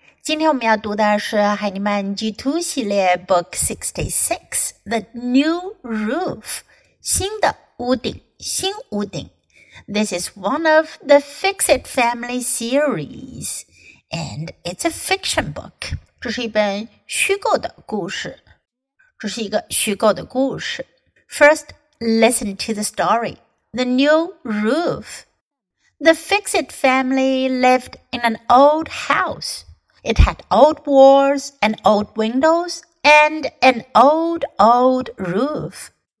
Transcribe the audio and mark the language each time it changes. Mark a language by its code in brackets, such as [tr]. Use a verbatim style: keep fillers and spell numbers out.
[zh] 今天我们要读的是海尼曼 G 二 系列 Book sixty-six, The New Roof, 新的屋顶，新屋顶。 [en] This is one of the Fix-It Family series, and it's a fiction book. [zh] 这是一本虚构的故事，这是一个虚构的故事。 [en] First, listen to the story, The New Roof. The Fix-It family lived in an old house. It had old walls and old windows and an old, old roof.